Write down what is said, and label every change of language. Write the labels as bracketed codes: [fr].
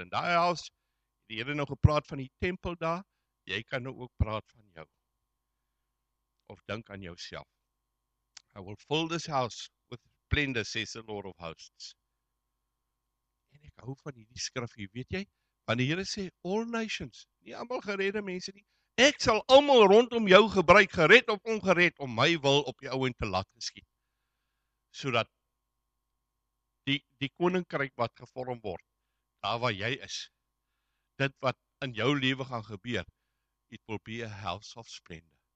[af] En die house, die Here nou gepraat van die tempel daar, jy kan nou ook praat van jou. Of dink aan jouself. [en] I will fill this house with splendor, says the Lord of hosts. [af] En ek hou van hierdie skrif hier, weet jy? Want die Here sê, [en] all nations, [af] nie almal geredde mense nie, ek sal almal rondom jou gebruik, gered of ongered, om my wil op die ouen te laat geskied. sodat die koninkryk wat gevorm word, daar waar jy is, dit wat in jou lewe gaan gebeur, [en] it will be a house of splendor.